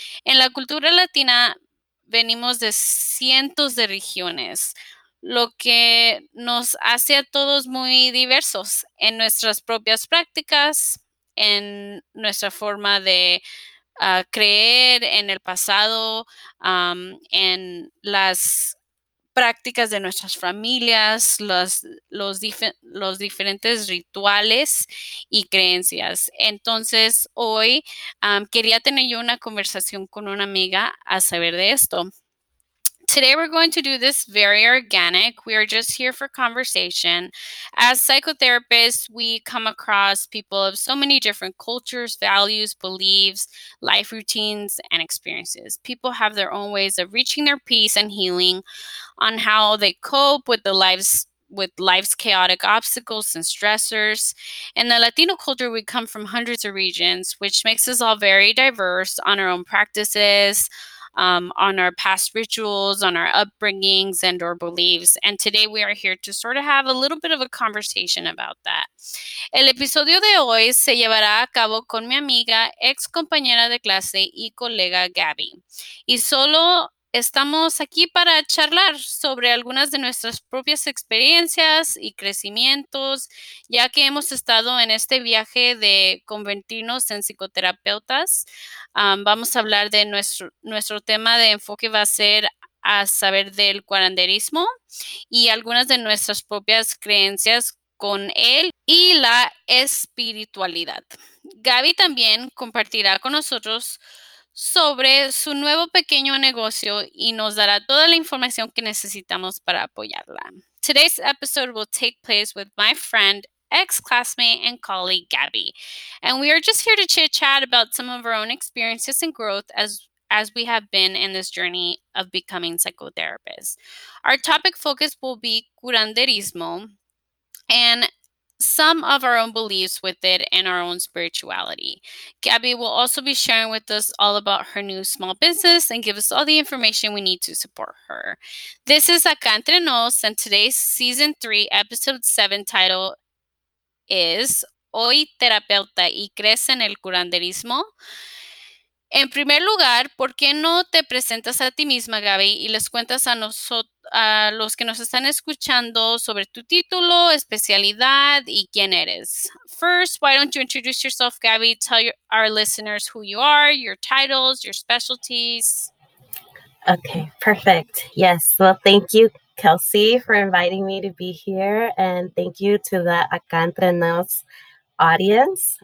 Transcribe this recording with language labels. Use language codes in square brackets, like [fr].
[es] En la cultura latina, venimos de cientos de regiones, lo que nos hace a todos muy diversos en nuestras propias prácticas, en nuestra forma de creer en el pasado, en las prácticas de nuestras familias, los diferentes rituales y creencias. Entonces, hoy quería tener yo una conversación con una amiga a saber de esto. [en] Today we're going to do this very organic. We are just here for conversation. As psychotherapists, we come across people of so many different cultures, values, beliefs, life routines, and experiences. People have their own ways of reaching their peace and healing on how they cope with life's chaotic obstacles and stressors. In the Latino culture, we come from hundreds of regions, which makes us all very diverse on our own practices, on our past rituals, on our upbringings and our beliefs. And today we are here to sort of have a little bit of a conversation about that. [es] El episodio de hoy se llevará a cabo con mi amiga, ex compañera de clase y colega Gabby. Y solo estamos aquí para charlar sobre algunas de nuestras propias experiencias y crecimientos, ya que hemos estado en este viaje de convertirnos en psicoterapeutas. Vamos a hablar de nuestro tema de enfoque va a ser a saber del curanderismo y algunas de nuestras propias creencias con él y la espiritualidad. Gaby también compartirá con nosotros sobre su nuevo pequeño negocio y nos dará toda la información que necesitamos para apoyarla. [en] Today's episode will take place with my friend, ex-classmate, and colleague, Gabby. And we are just here to chit-chat about some of our own experiences and growth as we have been in this journey of becoming psychotherapists. Our topic focus will be curanderismo and some of our own beliefs with it and our own spirituality. Gabby will also be sharing with us all about her new small business and give us all the information we need to support her. This is Acá Entre Nos, and today's season 3, episode 7 title is Hoy Terapeuta y Crees en el Curanderismo. [es] En primer lugar, ¿por qué no te presentas a ti misma, Gabby, y les cuentas a los que nos están escuchando sobre tu título, especialidad y quién eres? [en] First, why don't you introduce yourself, Gabby? Tell our listeners who you are, your titles, your specialties. Okay, perfect. Yes, well, thank you, Kelsey, for inviting me to be here. And thank you to the Acá Entre Nos audience.